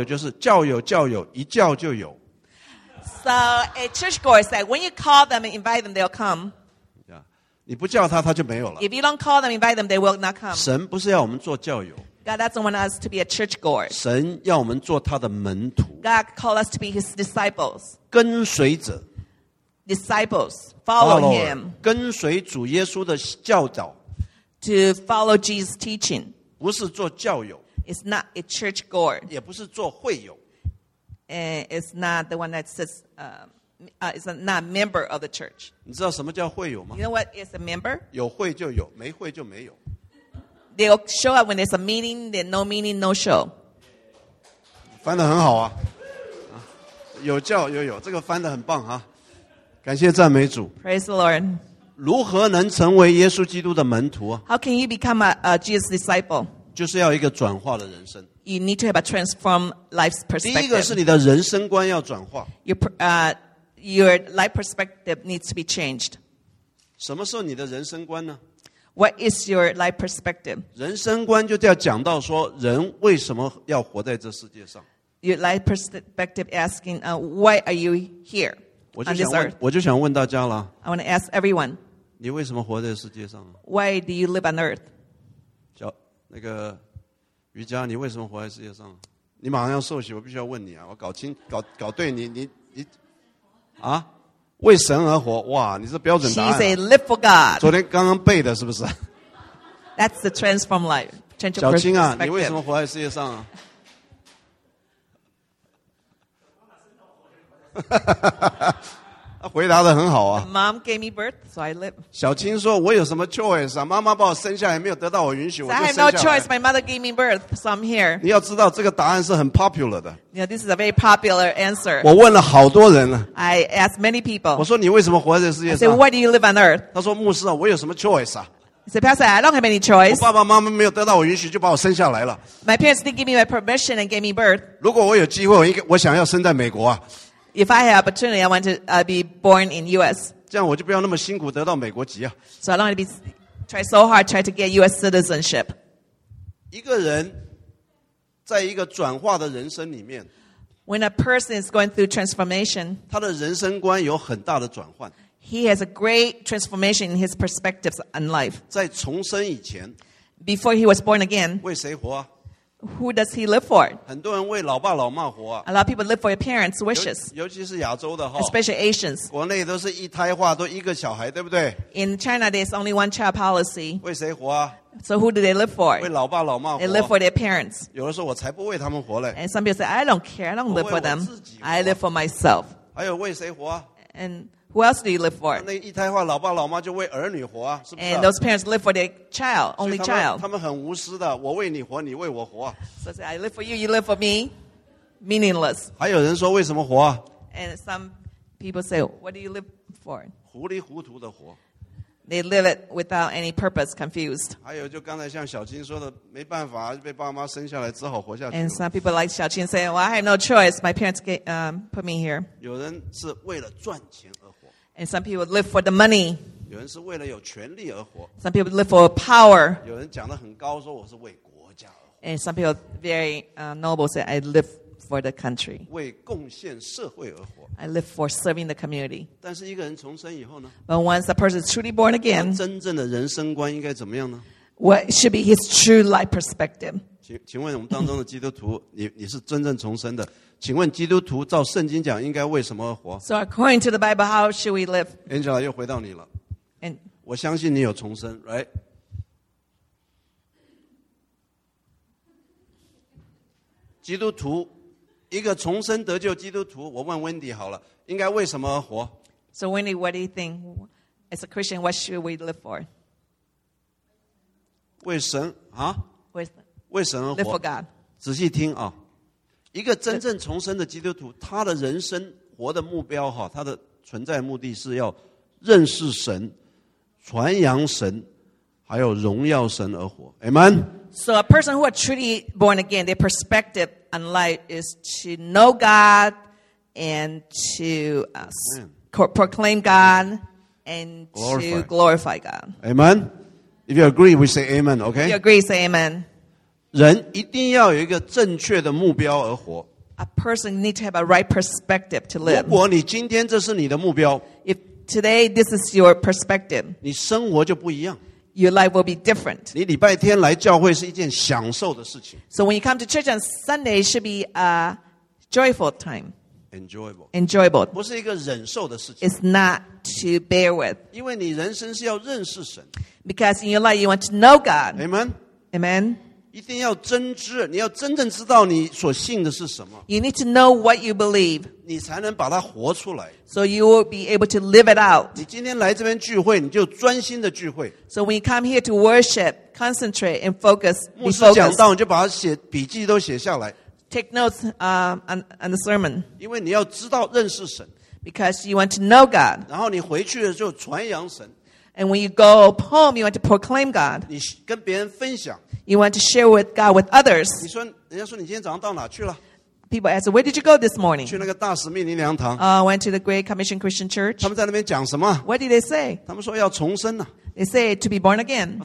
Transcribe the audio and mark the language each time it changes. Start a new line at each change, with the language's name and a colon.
Chinese: 下面我看他翻不翻得出来啊？教友就是教友，教友一叫就有。
English: So a church goer is that when you call them and invite them, they'll come.
Chinese: Yeah. 你不叫他, 他就没有了。
English: If you don't call them, invite them, they will not come.
Chinese: 神不是要我们做教友。
English: God doesn't want us to be a church goer.
Chinese: 神要我们做他的门徒。
English: God called us to be his disciples.
Chinese: 跟随者。
English: Disciples. Follow him.
Chinese: 跟随主耶稣的教导。
English: To follow Jesus' teaching.
Chinese: 不是做教友。
English: It's not a church goer.
Chinese: 也不是做会友。
English: And it's not the one that says, it's not a member of the church.
Chinese: 你知道什么叫会友吗?
English: You know what is a member?
Chinese: 有会就有, 没会就没有。
English: They'll show up when there's a meeting, then no meeting, no show.
Chinese: 翻得很好啊。有教有有, 这个翻得很棒啊。感谢赞美主。
English: Praise the Lord.
Chinese: 如何能成为耶稣基督的门徒?
English: How can you become a Jesus disciple?
Chinese: 就是要一个转化的人生。
English: You need to have a transformed life perspective.
Chinese: 第一个是你的人生观要转化。
English: Your life perspective needs to be changed.
Chinese: 什么时候你的人生观呢?
English: What is your life perspective?
Chinese: 人生观就要讲到说人为什么要活在这世界上。
English: Your life perspective asking, why are you here?
Chinese: 我就想问大家了。
English: I want to ask everyone.
Chinese: 你为什么活在世界上?
English: Why do you live on earth?
Chinese: 那个 瑜伽，你为什么活在世界上？你马上要受洗，我必须要问你啊！我搞清搞搞对你， 你啊， 为神而活，哇！你这标准答案。
English: She said, "Live for God."
Chinese: 昨天刚刚背的，是不是？
English: That's the transform life.
Chinese: 小青啊，你为什么活在世界上啊？回答得很好啊。
English: Mom gave me birth, so I live.
Chinese: 小青说：“我有什么 choice 啊？妈妈把我生下来，没有得到我允许，我就生下来。”
English: So I have no choice. My mother gave me birth, so I'm here.
Chinese: 你要知道，这个答案是很 popular 的。
English: Yeah, this is a very popular answer.
Chinese: 我问了好多人了。
English: I asked many people.
Chinese: 我说：“你为什么活在世界上？”
English: I said, "Why do you live on earth?"
Chinese: 他说：“牧师啊，我有什么 choice 啊？”
English: He said, "Pastor, I don't have any choice."
Chinese: 我爸爸妈妈没有得到我允许，就把我生下来了。
English: My parents didn't give me my permission and gave me birth.
Chinese: 如果我有机会，我想要生在美国啊。
English: If I have opportunity, I want to be born in U.S.
Chinese: 这样我就不要那么辛苦得到美国籍啊。
English: So I don't want to try so hard, try to get U.S. citizenship.
Chinese: 一个人在一个转化的人生里面,
English: when a person is going through transformation,
Chinese: 他的人生观有很大的转换。
English: He has a great transformation in his perspectives on life.
Chinese: 在重生以前,
English: before he was born again,
Chinese: 为谁活啊?
English: Who does he live for?
Chinese: 很多人为老爸老妈活啊,
English: a lot of people live for your parents' wishes.
Chinese: 尤其是亚洲的哈,
English: especially Asians.
Chinese: 国内都是一胎化, 都一个小孩,
English: in China, there's only one child policy.
Chinese: 为谁活啊?
English: So who do they live for?
Chinese: 为老爸老妈活,
English: they live for their parents.
Chinese: 有的时候我才不为他们活嘞,
English: and some people say, I don't care, I don't live for them. I live for myself.
Chinese: 还有为谁活啊?
English: And who else do you live for?
Chinese: 那一胎化, 老爸老妈就为儿女活啊,
English: and those parents live for their child, only
Chinese: 所以他们,
English: child. 他们很无私的, 我为你活, 你为我活。 So say, I live for you, you live for me. Meaningless.
Chinese: 还有人说为什么活啊?
English: And some people say, what do you live for?
Chinese: 糊里糊涂的活。
English: They live it without any purpose, confused.
Chinese: 还有就刚才像小青说的, 没办法, 被爸妈生下来, 只好活下去了。
English: And some people like Xiaoqin say, well, I have no choice. My parents put me here.
Chinese: 有人是为了赚钱,
English: and some people live for the money.
Chinese: 有人是为了有权利而活。
English: Some people live for power.
Chinese: 有人讲得很高, 说我是为国家而活。
English: And some people very noble say, I live for the country.
Chinese: 为贡献社会而活。
English: I live for serving the community.
Chinese: 但是一个人重生以后呢?
English: But once a person is truly born again,
Chinese: 真正的人生观应该怎么样呢?
English: What should be his true life perspective?
Chinese: 请问我们当中的基督徒, 你是真正重生的。请问基督徒照圣经讲应该为什么而活?
English: So according to the Bible, how should we live?
Chinese: Angela, 又回到你了。
English: And
Chinese: 我相信你有重生,
English: right?
Chinese: 基督徒,一个重生得救基督徒，我问 Wendy 好了，应该为什么而活？
English: So Wendy, what do you think? As a Christian, what should we live for?
Chinese: 为神啊？为神而活。
English: Live for God.
Chinese: 仔细听啊，一个真正重生的基督徒，他的人生活的目标哈，他的存在目的是要认识神，传扬神，还有荣耀神而活。
English: Amen. So a person who are truly born again, their perspective on life is to know God and to proclaim God and glorify. To glorify God. Amen. If you agree, we say Amen. Okay. If you agree, say Amen.
Chinese: 人一定要有一个正确的目标而活。
English: A person needs to have a right perspective to live.
Chinese: 如果你今天这是你的目标，
English: If today this is your perspective,
Chinese: 你生活就不一样。
English: Your life will be different.
Chinese: 你礼拜天来教会是一件享受的事情。
English: So when you come to church on Sunday, it should be a joyful time. Enjoyable. Enjoyable.
Chinese: 不是一个忍受的事情。
English: It's not to bear with.
Chinese: 因为你人生是要认识神。
English: Because in your life, you want to know God. Amen. Amen.
Chinese: 一定要真知，你要真正知道你所信的是什么。
English: You need to know what you believe.
Chinese: 你才能把它活出来。
English: So you will be able to live it out.
Chinese: 你今天来这边聚会，你就专心的聚会。
English: So when you come here to worship, concentrate and focus.
Chinese: 牧师讲到，你就把它写笔记都写下来。
English: Take notes on the sermon.
Chinese: 因为你要知道认识神。
English: Because you want to know God.
Chinese: 然后你回去的时候传扬神。
English: And when you go home, you want to proclaim God.
Chinese: 你跟别人分享。
English: You want to share with God with others.
Chinese: 你说，人家说你今天早上到哪去了？
English: People ask, where did you go this morning?
Chinese: 去那个大使命灵粮堂。
English: Went to the Great Commission Christian Church.
Chinese: 他们在那边讲什么？
English: What did they say?
Chinese: 他们说要重生啊。
English: They say to be born again.